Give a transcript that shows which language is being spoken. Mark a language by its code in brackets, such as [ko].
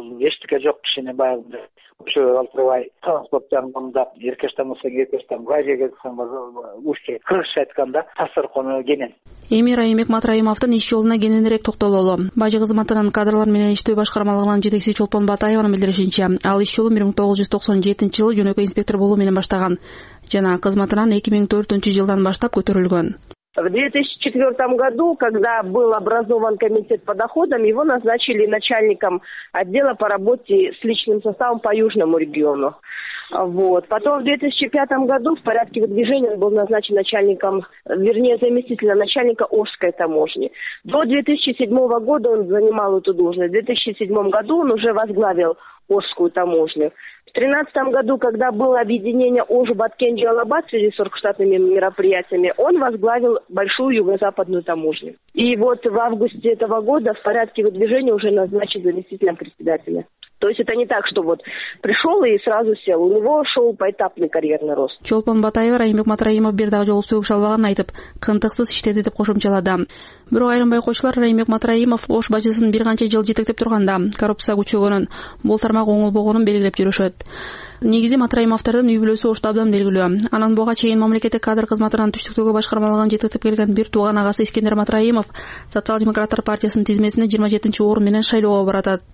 [ky] Бул эчтеке жок кишини баягы ошого калтырбай транспорт жагында эркештен болсо эркештен газге кетсем уюштуру кыргызча айтканда тасыркону кенен. Эми Райымбек Матраимовдун иш жолуна кененирээк токтололу. Бажы кызматынын кадрлар менен иштөө башкармалыгынын жетекчиси Чолпон Батаеванын билдиришинче, ал иш жолун 1997 жылы жөнөкөй инспектор болуу менен баштаган жана кызматынан 2004 жылдан баштап көтөрүлгөн. [ru] В 2004 году, когда был образован комитет по доходам, его назначили начальником отдела по работе с личным составом по Южному региону. Вот. Потом в 2005 году в порядке выдвижения он был назначен начальником, вернее, заместителем начальника Ошской таможни. До 2007 года он занимал эту должность. В 2007 году он уже возглавил Ошскую таможню. В 2013 году, когда было объединение Ожу-Баткенджи-Алабад в связи с оргштатными мероприятиями, он возглавил большую юго-западную таможню. И вот в августе этого года в порядке выдвижения уже назначил заместителем председателя. То есть это не так, что вот пришел и сразу сел. У него шел поэтапный карьерный рост. [ky] Чолпон Батаева, Райымбек Матраимов бир дагы жолу сөгүш албаган айтып, кынтыксыз иштеди деп кошумчалады. Бирок айрым байкоочулар Райымбек Матраимов Ош бажысын бир канча жыл жетектеп турганда коррупция күчөгөнүн, бул тармак оңолбогонун белгилеп жүрүшөт. Негизи Матраимовтордун үй-бүлөсү Ош табдан белгилүү. Анан буга чейин мамлекеттик кадр кызматынан түштүктөгү башкармалыгын жетектеп келген бир тууган агасы Искендер Матраимов Социал-демократтар партиясынын тизмесинде 27-чи орун менен шайлоого баратат.